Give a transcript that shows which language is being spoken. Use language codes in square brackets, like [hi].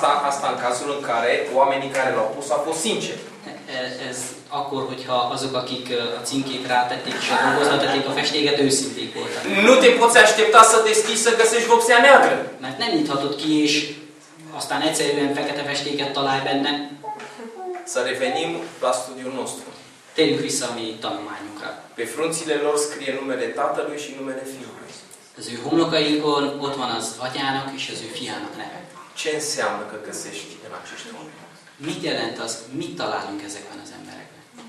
[ro] Asta în cazul în care oamenii care l-au pus a fost sincer. [hu] Ez akkor, hogyha azok, akik a címkét rátették és a dobozra tették a festéket, őszinték voltak. [ro] Nu te poți aștepta să deschizi să găsești vopsea neagră. [hu] Mert nem nyithatod ki, és aztán egyszerűen fekete festéket találj benne. [ro] Să revenim la studiul nostru. [hu] Térjünk vissza a mi tanulmányunkra. [ro] Pe frunțile lor scrie numele tatălui și numele fiului. [hu] Az ő homlokainkon ott van az atyának és az ő fiának neve. [ro] Ce înseamnă că găsești în acești oameni? [hu] Mit jelent az, mit találunk ezekben az emberekben?